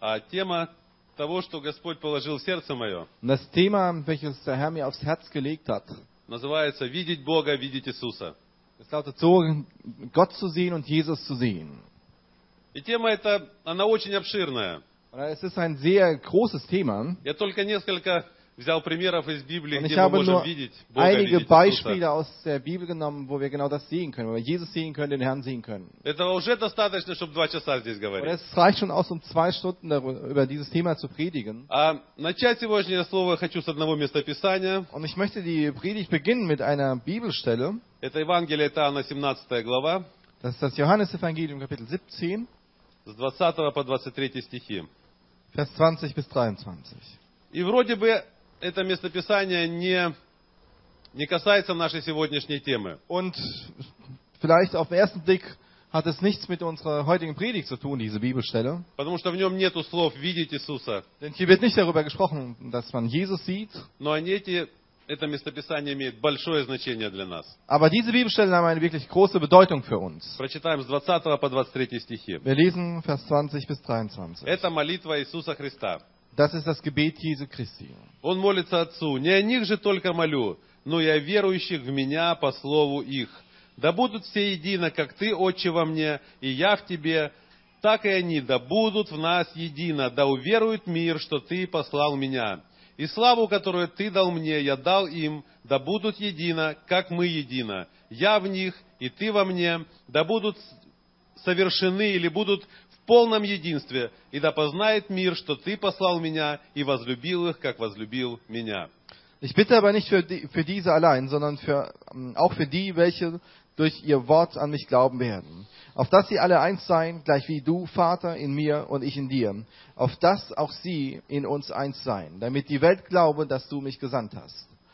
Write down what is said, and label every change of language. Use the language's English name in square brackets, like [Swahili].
[Russian] Тема того, что Господь положил в сердце мое. [German] Das Thema, welches der Herr mir aufs Herz gelegt hat. [Russian] Называется «Видеть Бога, видеть Иисуса». [German] Es lautet so, Gott zu sehen und Jesus zu sehen. [Russian] И тема эта, она очень обширная. [German] Es ist ein sehr großes Thema. [Russian] Я только несколько взял примеров из Библии, [German] und [Russian] где мы можем видеть Бога, видеть Иисуса. [German] Einige Beispiele aus der Bibel genommen, wo wir genau das sehen können, wo wir Jesus sehen können, den Herrn sehen können. [Russian] Этого уже достаточно, чтобы два часа здесь говорить. [German] Es reicht schon aus, um zwei Stunden über dieses Thema zu predigen. [Russian] Начать сегодня слово хочу с одного места Писания. [German] Und ich möchte die Predigt beginnen mit einer Bibelstelle. [Russian] Это Евангелие от Иоанна, 17 глава. [German] Das ist das Johannesevangelium, Kapitel 17. [Russian] С 20 по 23 стихи. [German] Vers 20 bis 23. [Russian] И вроде бы это местописание не касается нашей сегодняшней темы. [German] Und vielleicht auf den ersten Blick hat es nichts mit unserer heutigen Predigt zu tun, diese Bibelstelle. [Russian] Потому что в нем нету слов «видеть Иисуса». [German] Denn hier wird nicht darüber gesprochen, dass man Jesus sieht. [Russian] Но это местописание имеет большое значение для нас. [German] Aber diese Bibelstelle haben eine wirklich große Bedeutung für uns. [Russian] Прочитаем с 20 по 23 стихи. [German] Wir lesen Vers 20 bis 23. [Russian] Это молитва Иисуса Христа. [German] Das ist das Gebet Jesu Christi. [Russian] Он молится Отцу, не о них же только молю, но и о верующих в Меня по слову их. Да будут все едино, как Ты, Отче, во Мне, и Я в Тебе, так и они да будут в нас едино, да уверует мир, что Ты послал Меня. И славу, которую Ты дал Мне, Я дал им, да будут едино, как Мы едино. Я в них, и Ты во Мне, да будут совершены или будут в полном единстве, и да познает мир, что Ты послал Меня и возлюбил их, как возлюбил Меня. [German] Ich bitte aber nicht für diese allein, sondern auch für die, welche durch ihr Wort an mich glauben werden. Auf dass sie alle eins seien, gleich wie du, Vater, in mir und ich in dir. Auf dass auch sie in uns eins seien, damit die Welt glaube, dass du mich gesandt hast.